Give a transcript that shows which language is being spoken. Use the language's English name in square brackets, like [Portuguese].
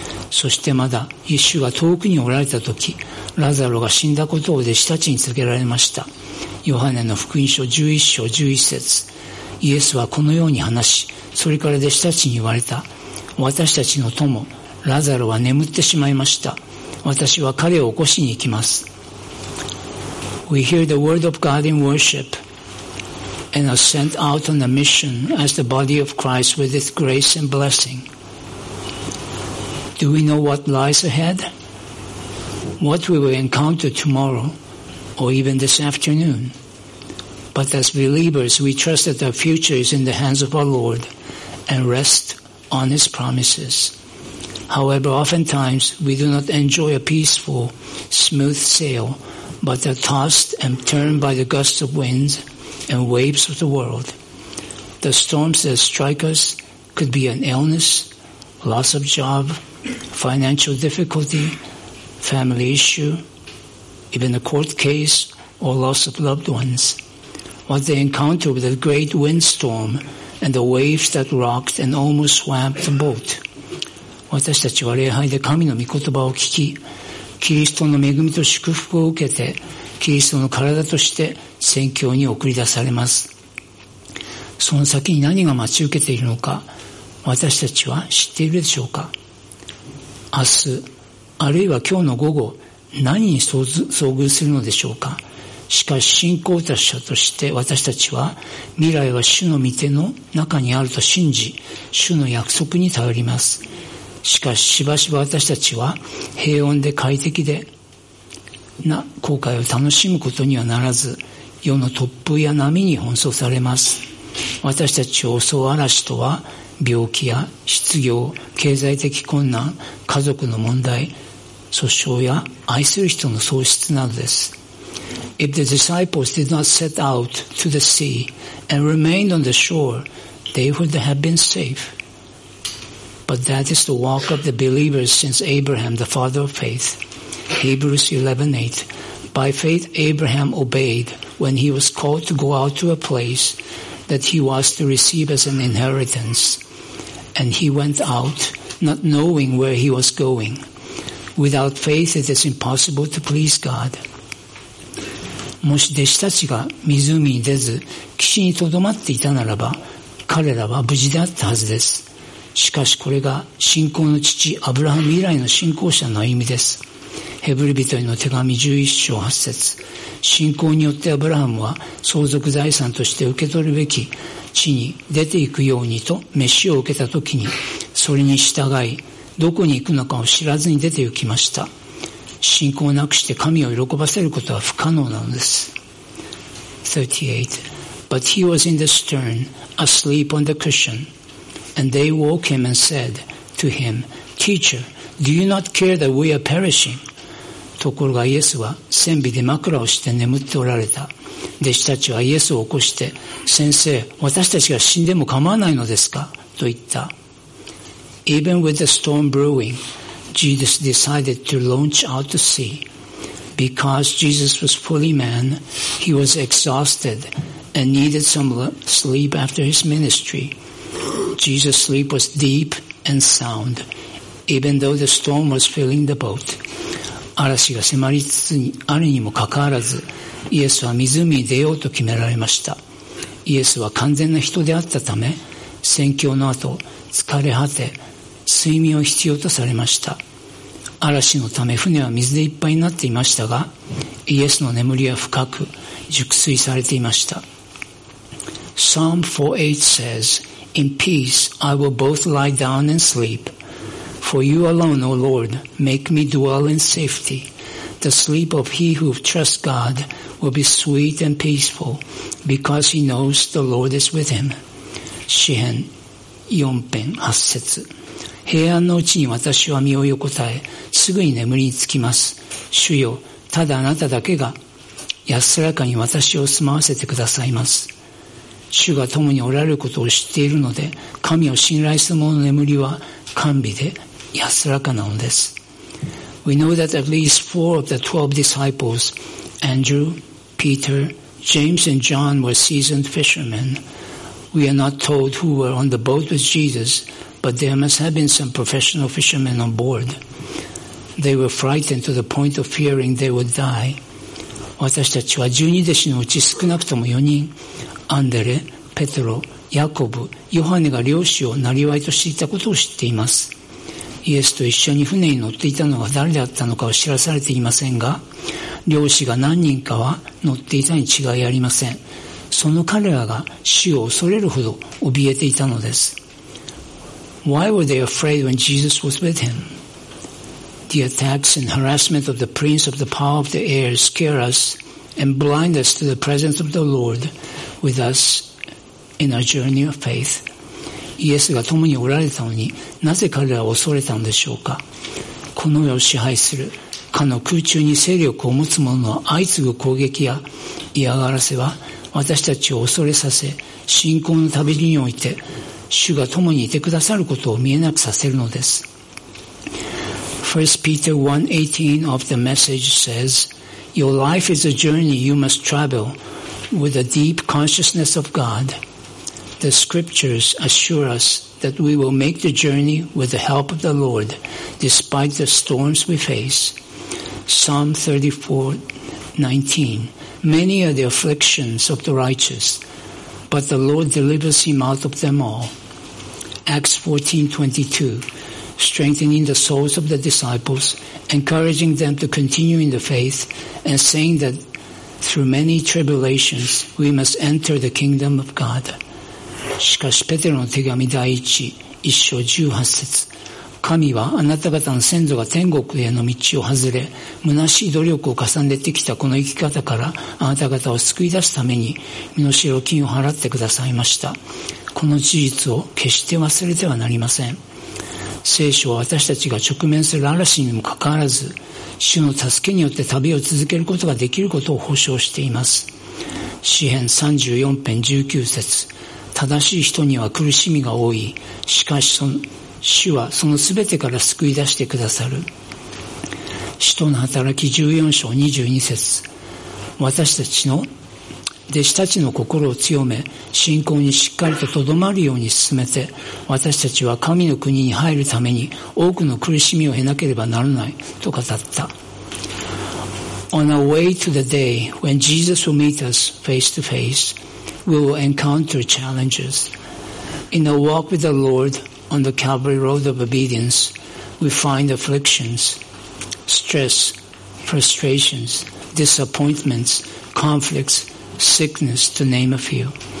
[Japanese] そしてまだ、イエスが遠くにおられた時、ラザロが死んだことを弟子たちに告げられました。ヨハネの福音書11章11節。イエスはこのように話し、それから弟子たちに言われた。私たちの友、ラザロは眠ってしまいました。私は彼を起こしに行きます。 [English] We hear the word of God in worship and are sent out on a mission as the body of Christ with its grace and blessing. Do we know what lies ahead? What we will encounter tomorrow or even this afternoon? But as believers, we trust that our future is in the hands of our Lord and rest on His promises. However, oftentimes, we do not enjoy a peaceful, smooth sail, but are tossed and turned by the gusts of wind and waves of the world. The storms that strike us could be an illness, loss of job, financial difficulty, family issue, even a court case or loss of loved ones. What they encounter with a great windstorm and the waves that rocked and almost swamped the boat. [Japanese] 私たちは礼拝で神の御言葉を聞き、キリストの恵みと祝福を受けて、キリストの体として宣教に送り出されます。その先に何が待ち受けているのか、私たちは知っているでしょうか。明日、あるいは今日の午後、何に遭遇するのでしょうか。しかし信仰者として私たちは、未来は主の御手の中にあると信じ、主の約束に頼ります。しかししばしば私たちは、平穏で快適で、な後悔を楽しむことにはならず、世の突風や波に奔走されます。私たちを襲う嵐とは、病気や失業、経済的困難、家族の問題、訴訟や愛する人の喪失などです。 [English] If the disciples did not set out to the sea and remained on the shore, they would have been safe. But that is the walk of the believers since Abraham, the father of faithHebrews 11:8. By faith Abraham obeyed when he was called to go out to a place that he was to receive as an inheritance. And he went out, not knowing where he was going. Without faith it is impossible to please God. [Japanese] もし弟子たちが湖に出ず、岸にとどまっていたならば、彼らは無事であったはずです。しかしこれが信仰の父、アブラハム以来の信仰者の歩みです。ヘブル人への手紙11章8節。信仰によってアブラハムは相続財産として受け取るべき地に出て行くようにと召しを受けた時に、それに従いどこに行くのかを知らずに出て行きました。信仰なくして神を喜ばせることは不可能なのです。 [English] 38. But he was in the stern, asleep on the cushion, and they woke him and said to him, Teacher, do you not care that we are perishing [Japanese] ところがイエスは船尾で枕をして眠っておられた。弟子たちはイエスを起こして、先生、私たちが死んでも構わないのですか? と言った。 [English] Even with the storm brewing, Jesus decided to launch out to sea. Because Jesus was fully man, he was exhausted and needed some sleep after his ministry. Jesus' sleep was deep and sound, even though the storm was filling the boat. [Japanese] 嵐が迫りつつあるにもかかわらず、イエスは湖に出ようと決められました。イエスは完全な人であったため、宣教の後、疲れ果て、睡眠を必要とされました。嵐のため船は水でいっぱいになっていましたが、イエスの眠りは深く、熟睡されていました。 [English] Psalm 4:8 says, In peace I will both lie down and sleep. For you alone, O Lord, make me dwell in safety. The sleep of he who trusts God will be sweet and peaceful because he knows the Lord is with him. [Japanese] 詩編4編8節。平安のうちに私は身を横たえ、すぐに眠りにつきます。主よ、ただあなただけが安らかに私を住まわせてくださいます。主が共におられることを知っているので、神を信頼する者の眠りは甘美で、安らかなのです。 [English] We know that at least four of the 12 disciples, Andrew, Peter, James and John were seasoned fishermen. We are not told who were on the boat with Jesus, but there must have been some professional fishermen on board. They were frightened to the point of fearing they would die. [Japanese] 私たちは十二弟子のうち少なくとも4人、アンデレ、ペトロ、ヤコブ、ヨハネが漁師をなりわいとしていたことを知っています。イエスと一緒に船に乗っていたのが誰であったのかは知らされていませんが、漁師が何人かは乗っていたに違いありません。その彼らが死を恐れるほど怯えていたのです。 [English] Why were they afraid when Jesus was with him? The attacks and harassment of the prince of the power of the air scare us and blind us to the presence of the Lord with us in our journey of faith. [Japanese] イエスが共におられたのに、なぜ彼らは恐れたのでしょうか。この世を支配する、かの空中に勢力を持つ者の相次ぐ攻撃や嫌がらせは、私たちを恐れさせ、信仰の旅路において、主が共にいてくださることを見えなくさせるのです。 [English] 1 Peter 1:18 of the message says, Your life is a journey you must travel with a deep consciousness of God. The scriptures assure us that we will make the journey with the help of the Lord, despite the storms we face. Psalm 34:19. Many are the afflictions of the righteous, but the Lord delivers him out of them all. Acts 14:22, strengthening the souls of the disciples, encouraging them to continue in the faith, and saying that through many tribulations we must enter the kingdom of God. [Japanese] しかしペテロの手紙第一一章十八節、神はあなた方の先祖が天国への道を外れ、虚しい努力を重ねてきたこの生き方からあなた方を救い出すために身の代金を払ってくださいました。この事実を決して忘れてはなりません。聖書は私たちが直面する嵐にもかかわらず主の助けによって旅を続けることができることを保証しています。詩篇34篇19節、正しい人には苦しみが多い、しかし主はそのすべてから救い出してくださる。使徒の働き14章22節、私たちの弟子たちの心を強め、信仰にしっかりととどまるように進めて、私たちは神の国に入るために多くの苦しみを経なければならないと語った。 [English] On our way to the day when Jesus will meet us face to face, we will encounter challenges. In our walk with the Lord on the Calvary road of obedience, we find afflictions, stress, frustrations, disappointments, conflictsSickness, to name a few.